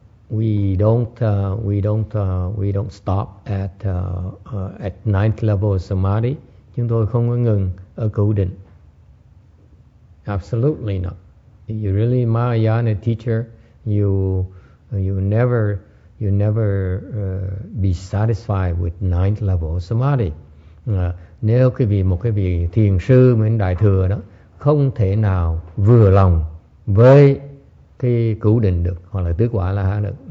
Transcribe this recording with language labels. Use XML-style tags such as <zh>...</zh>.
<en>We don't stop at ninth level of samadhi.</en> <vi>Chúng tôi không có ngừng ở cửu định.</vi> <en>Absolutely not. You really Mahayana teacher, you never be satisfied with ninth level of samadhi.</en> <vi>Nếu quý vị một cái vị thiền sư mình đại thừa đó không thể nào vừa lòng với cái cứu định được hoặc là tứ quả la hán được.</vi>